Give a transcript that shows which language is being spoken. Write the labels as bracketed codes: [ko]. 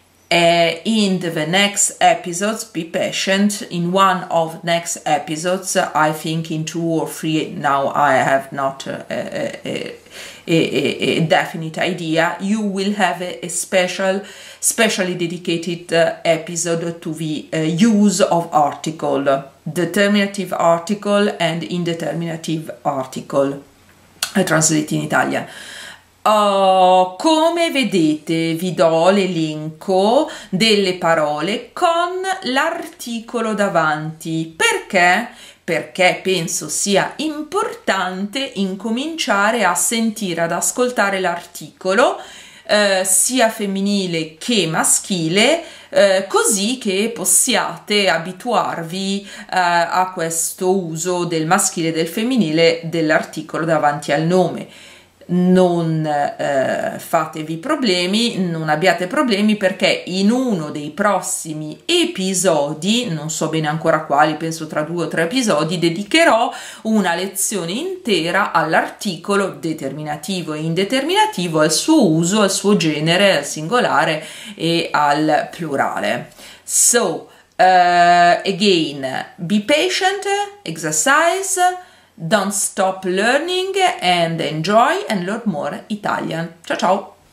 [en] In the next episodes, be patient, in one of next episodes, I think in two or three, now I have not a definite idea, you will have a specially dedicated episode to the use of article, determinative article and indeterminative article, translated in Italian. [it] Come vedete, vi do l'elenco delle parole con l'articolo davanti. Perché? Perché penso sia importante incominciare a sentire, ad ascoltare l'articolo, sia femminile che maschile, così che possiate abituarvi a questo uso del maschile e del femminile dell'articolo davanti al nome. Non fatevi problemi, non abbiate problemi perché in uno dei prossimi episodi, non so bene ancora quali, penso tra due o tre episodi, dedicherò una lezione intera all'articolo determinativo e indeterminativo, al suo uso, al suo genere, al singolare e al plurale. [en] So, again, be patient, exercise, don't stop learning and enjoy and learn more Italian. [it] Ciao ciao!